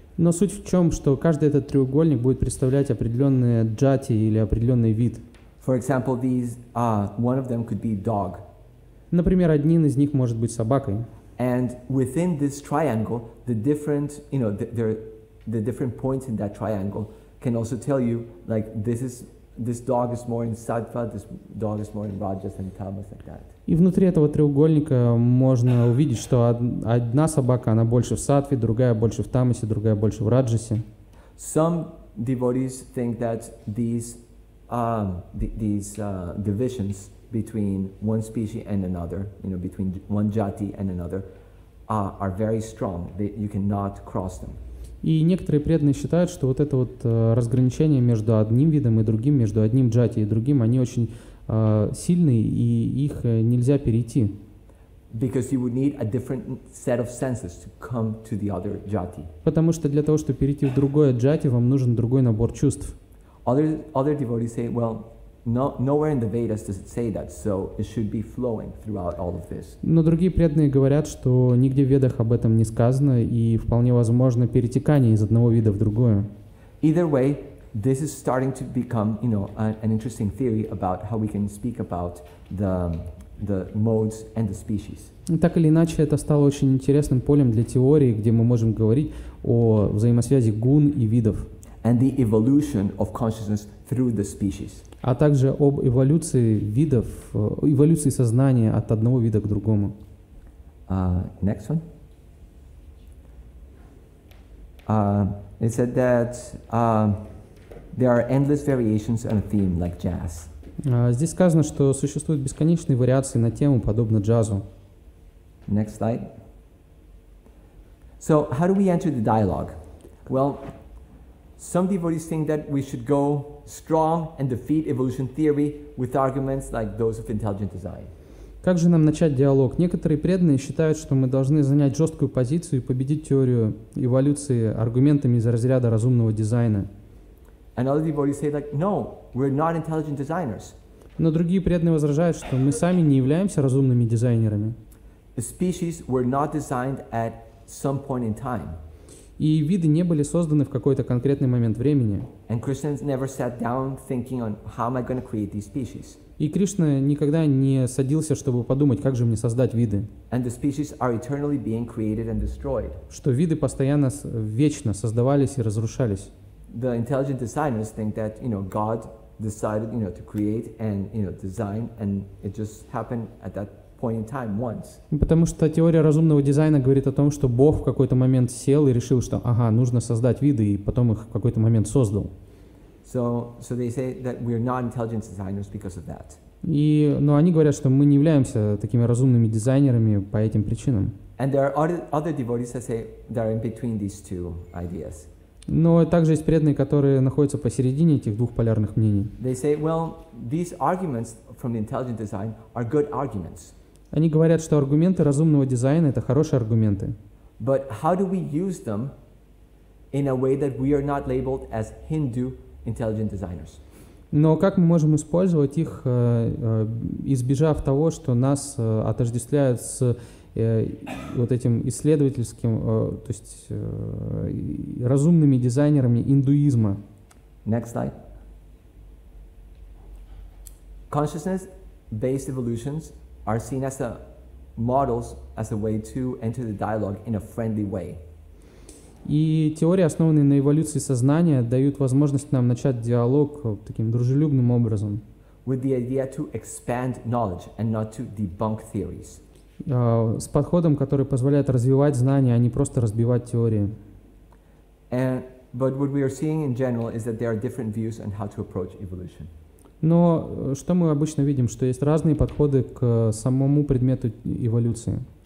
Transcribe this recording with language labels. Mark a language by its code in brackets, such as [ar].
[ru] Но суть в чем, что каждый этот треугольник будет представлять определенные джати или определенный вид. [en] For example, these, one of them could be dog. [ru] Например, один из них может быть собакой. [en] And within this triangle, the different, you know, the different points in that triangle can also tell you, like, this dog is more in sattva, this dog is more in rajas and tamas, like that. [ru] И внутри этого треугольника можно увидеть, что одна собака, она больше в сатве, другая больше в тамасе, другая больше в раджасе. [en] Some devotees think that these divisions between one species and another, you know, between one jati and another, are very strong. You cannot cross them. [ru] И некоторые преданные считают, что вот это вот разграничение между одним видом и другим, между одним джати и другим, они очень сильные, и их нельзя перейти. [en] Because you would need a different set of senses to come to the other jati. [ru] Потому что для того, чтобы перейти в другое джати, вам нужен другой набор чувств. [en] Other devotees say, well, nowhere in the Vedas does it say that, so it should be flowing throughout all of this. [ru] Но другие преданные говорят, что нигде в Ведах об этом не сказано, и вполне возможно перетекание из одного вида в другое. [en] Either way, this is starting to become, you know, an interesting theory about how we can speak about the modes and the species. [ru] Так или иначе, это стало очень интересным полем для теории, где мы можем говорить о взаимосвязи гун и видов. [en] And the evolution of consciousness through the species. [ru] А также об эволюции видов, эволюции сознания от одного вида к другому. [en] Next one. It said that there are endless variations on a theme like jazz. [ru] Здесь сказано, что существуют бесконечные вариации на тему, подобно джазу. [en] Next slide. So how do we enter the dialogue? Well, some devotees think that we should go strong and defeat evolution theory with arguments like those of intelligent design. [ru] Как же нам начать диалог? Некоторые преданные считают, что мы должны занять жесткую позицию и победить теорию эволюции аргументами из разряда разумного дизайна. [en] And other devotees say, like, no, we're not intelligent designers. [ru] Но другие преданные возражают, что мы сами не являемся разумными дизайнерами. [en] The species were not designed at some point in time. [ru] И виды не были созданы в какой-то конкретный момент времени. [en] And Krishna never sat down thinking on how am I going to create these species. [ru] И Кришна никогда не садился, чтобы подумать, как же мне создать виды. [en] And the species are eternally being created and destroyed. [ru] Что виды постоянно, вечно создавались и разрушались. [en] The intelligent designers think that, you know, God decided, you know, to create and, you know, design, and it just happened at that point in time once. [ru] Потому что теория разумного дизайна говорит о том, что Бог в какой-то момент сел и решил, что, ага, нужно создать виды, и потом их в какой-то момент создал. [en] So they say that we are not intelligent designers because of that. [ru] Но они говорят, что мы не являемся такими разумными дизайнерами по этим причинам. [en] And there are other devotees that say they are in between these two ideas. [ru] Но также есть преданные, которые находятся посередине этих двух полярных мнений. [en] They say, well, these arguments from the intelligent design are good arguments. [ru] Они говорят, что аргументы разумного дизайна — это хорошие аргументы. [en] But how do we use them in a way that we are not labeled as Hindu intelligent designers? [ru] Но как мы можем использовать их, избежав того, что нас отождествляют с вот этим исследовательским, то есть разумными дизайнерами индуизма? [en] Next slide. Consciousness-based evolutions are seen as models as a way to enter the dialogue in a friendly way. [ru] И теории, основанные на эволюции сознания, дают возможность нам начать диалог таким дружелюбным образом. [en] With the idea to expand knowledge and not to debunk theories. [ru] С подходом, который позволяет развивать знания, а не просто разбивать теории. [en] But what we are seeing in general is that there are different views on how to approach evolution. [ru] Но что мы обычно видим, что есть разные подходы к самому предмету эволюции.